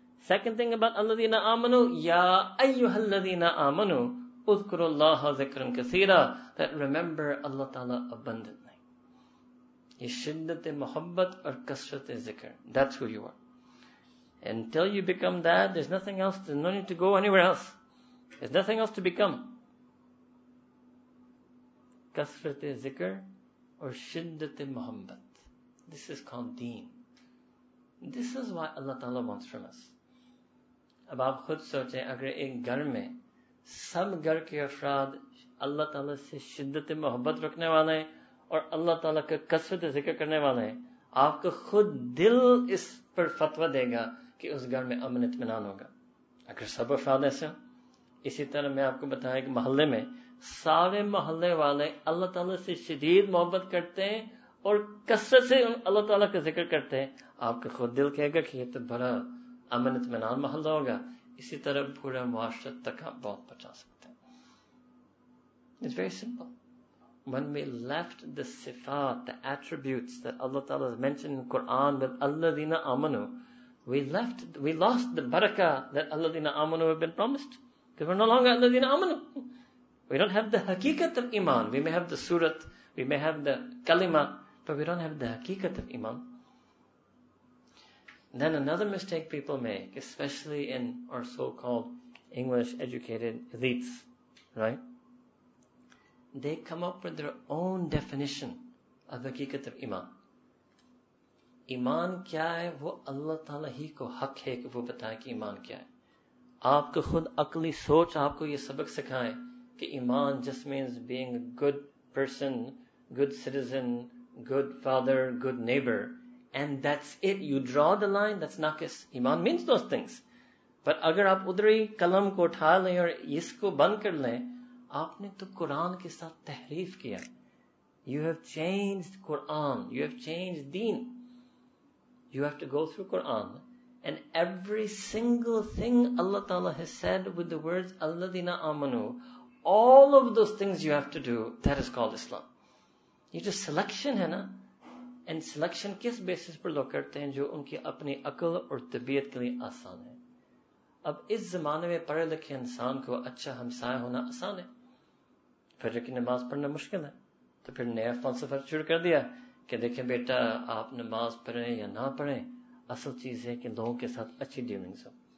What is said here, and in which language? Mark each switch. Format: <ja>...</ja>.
<en>second thing about</en> <ar>الذین آمنوا, یا ایھا الذین آمنوا اذکروا اللہ ذکرا کثیرا,</ar> <en>That remember Allah تعالی abundant.</en> <ur>یہ شدت محبت اور کثرت ذکر,</ur> <en>that's who you are. Until you become that, there's nothing else, there's no need to go anywhere else. There's nothing else to become.</en> <ur>کثرت ذکر اور شدت محبت,</ur> <en>this is called deen. This is why Allah Ta'ala wants from us.</en> <ur>اب آپ خود سوچیں, اگر ایک گھر میں سب گھر کے افراد اللہ تعالیٰ سے شدت محبت رکھنے والے ہیں اور اللہ تعالیٰ کا کثرت ذکر کرنے والے ہیں, آپ کا خود دل اس پر فتویٰ دے گا کہ اس گھر میں امن اطمینان ہوگا اگر سب افراد ایسے ہوں. اسی طرح میں آپ کو بتایا کہ محلے میں سارے محلے والے اللہ تعالیٰ سے شدید محبت کرتے ہیں اور کثرت سے اللہ تعالیٰ کا ذکر کرتے ہیں, آپ کا خود دل کہے گا کہ یہ تو بڑا امن اطمینان محلہ ہوگا. اسی طرح پورا معاشرہ تک آپ بہت پہنچا سکتے ہیں.</ur> <en>When we left the sifat, the attributes that Allah Ta'ala has mentioned in Quran with alladhina amanu, we lost the barakah that alladhina amanu have been promised. Because we're no longer alladhina amanu. We don't have the haqiqat of iman. We may have the surat, we may have the kalima, but we don't have the haqiqat of iman. Then another mistake people make, especially in our so-called English educated elites, right? They come up with their own definition of haqiqat iman.</en> <ur>ایمان کیا ہے؟ وہ اللہ تعالیٰ ہی کو حق ہے کہ وہ بتائے کہ ایمان کیا ہے. آپ کو خود عقلی سوچ آپ کو یہ سبق سکھائے کہ ایمان</ur> <en>just means being a good person, good citizen, good father, good neighbor, and that's it. You draw the line, that's naqis. Iman means those things.</en> <ur>But اگر آپ ادھر ہی قلم کو اٹھا لیں اور اس کو بند کر لیں, آپ نے تو قرآن کے ساتھ تحریف کیا.</ur> <en>You have changed Quran. You have changed deen. You have to go through Quran. And every single thing Allah Ta'ala has said with the words alladhina amanu, all of those things you have to do, that is called Islam.</en> <ur>یہ جو selection ہے نا, and selection کس basis پر لوگ کرتے ہیں؟ جو ان کی اپنی عقل اور طبیعت کے لیے آسان ہے. اب اس زمانے میں پڑھے لکھے انسان کو اچھا ہمسایہ ہونا آسان ہے, فجر کی نماز پڑھنا مشکل ہے. تو پھر نیا فلسفہ شروع کر دیا کہ دیکھیں بیٹا, آپ نماز پڑھیں یا نہ پڑھیں, اصل چیز ہے کہ لوگوں کے ساتھ اچھی ڈیلنگز ہو.</ur>